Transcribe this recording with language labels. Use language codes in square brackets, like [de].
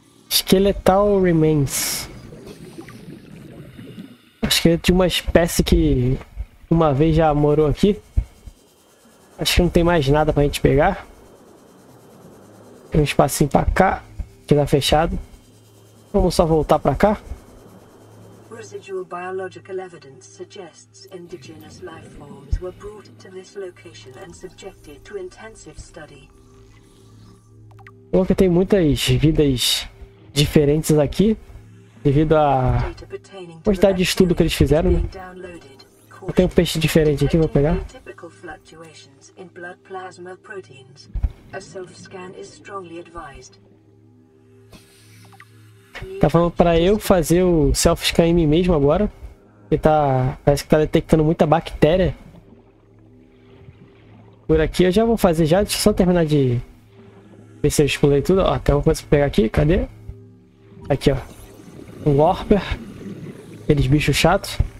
[en] Skeletal Remains. [pt] Acho que é de uma espécie que uma vez já morou aqui. Acho que não tem mais nada pra gente pegar. Tem um espacinho pra cá, que tá fechado. Vamos só voltar pra cá. [en] Residual biological evidence suggests indigenous life forms were brought to this location and subjected to intensive study. [pt] Porque tem muitas vidas diferentes aqui devido à quantidade de estudo que eles fizeram, né? Eu tenho um peixe diferente aqui, vou pegar. [en] Typical fluctuations in blood plasma proteins. A self-scan is strongly advised. [pt] Tá falando pra eu fazer o self-scan em mim mesmo agora. Ele tá... parece que tá detectando muita bactéria. Por aqui eu já vou fazer já. Deixa eu só terminar de... ver se eu explodei tudo. Ó, tem uma coisa pra pegar aqui. Cadê? Aqui, ó. Um Warper. Aqueles bichos chatos.